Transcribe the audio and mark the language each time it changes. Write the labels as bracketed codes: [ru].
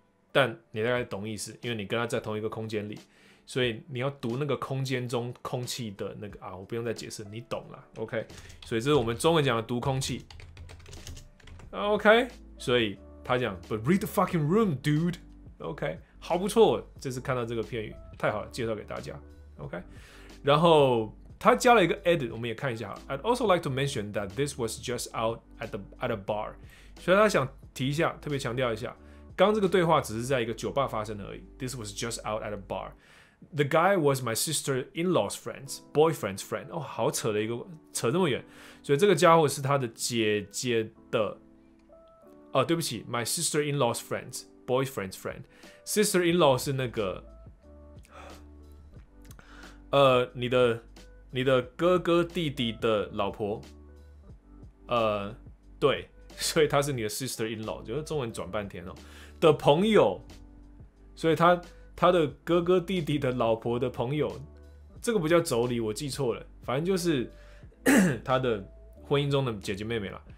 [zh] 但你大概懂意思，因为你跟他在同一个空间里，所以你要读那个空间中空气的那个啊，我不用再解释，你懂了。 OK， 所以这是我们中文讲的读空气。 [en] OK， [zh] 所以。他讲 [en] ，But read the fucking room, dude. [zh] OK， 好不错，这次看到这个片语，太好了，介绍给大家。 OK， 然后他加了一个 edit， 我们也看一下。 [en] I'd also like to mention that this was just out at a bar. [zh] 所以他想提一下，特别强调一下，刚这个对话只是在一个酒吧发生而已。 [en] This was just out at a bar. The guy was my sister-in-law's friend's boyfriend's friend. [zh] 哦，好扯的一个，扯这么远。所以这个家伙是他的姐姐的。哦，对不起 ， [en] my sister-in-law's friend, boyfriend's friend. [zh] Sister-in-law 是那个，你的哥哥弟弟的老婆，对，所以他是你的 sister-in-law， 就是中文转半天哦的朋友，所以他的哥哥弟弟的老婆的朋友，这个不叫妯娌，我记错了，反正就是他的婚姻中的姐姐妹妹啦。